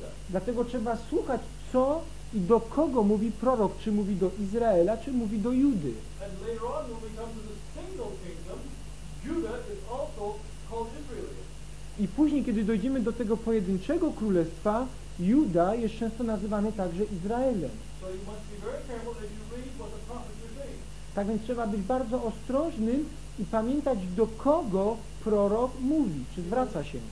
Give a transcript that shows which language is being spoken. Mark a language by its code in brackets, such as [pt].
[pl] Dlatego trzeba słuchać, co I do kogo mówi prorok? Czy mówi do Izraela, czy mówi do Judy? [en] And later on, when we come to the single kingdom, Judah is also called Israel. [pl] I później, kiedy dojdziemy do tego pojedynczego królestwa, Juda jest często nazywany także Izraelem. [en] So you must be very careful as you read what the prophets are saying. [pl] Tak więc trzeba być bardzo ostrożnym i pamiętać, do kogo prorok mówi, czy zwraca się.